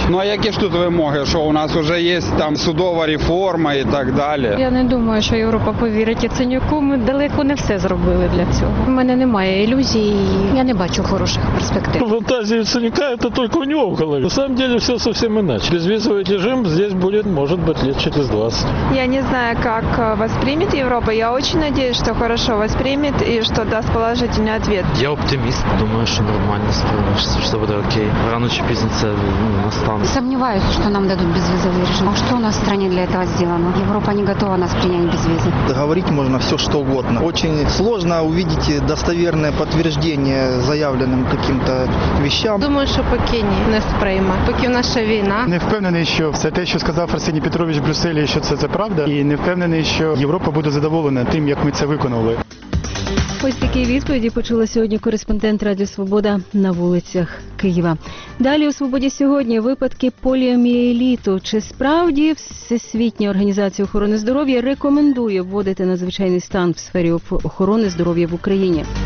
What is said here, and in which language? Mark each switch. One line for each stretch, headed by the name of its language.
Ukrainian: Ну а які ж тут вимоги, що у нас вже є там судова реформа і так далі? Я не думаю, що Європа повірить Яценюку. Ми далеко не все зробили для цього. У мене немає ілюзій, я не бачу хороших перспектив. Фантазія Яценюка – це тільки у нього в голові. Насправді все зовсім інакше. Безвізовий режим
Russian: здесь
Ukrainian: буде, може бути, літ через 20.
Russian: Я не знаю, как воспримет Европа. Я очень надеюсь, что хорошо воспримет и что даст положительный ответ. Я оптимист. Думаю, что нормально справишься, что будет окей. Рано или поздно настанет. Сомневаюсь, что нам дадут безвизовый режим. А что у нас в стране для этого сделано? Европа не готова нас принять без визы. Говорить можно все, что угодно. Очень сложно увидеть достоверное подтверждение заявленным каким-то вещам. Думаю, что пока не спримет. Пока наша война. Не уверен, что все то, что сказал Арсений Петрович в Брюсселе, что это правда.
Ukrainian: І не впевнений, що Європа буде задоволена тим, як ми це виконали. Ось такі відповіді почула сьогодні кореспондент Радіо Свобода на вулицях Києва. Далі у Свободі сьогодні випадки поліоміеліту. Чи справді Всесвітня організація охорони здоров'я рекомендує вводити надзвичайний стан в сфері охорони здоров'я в Україні?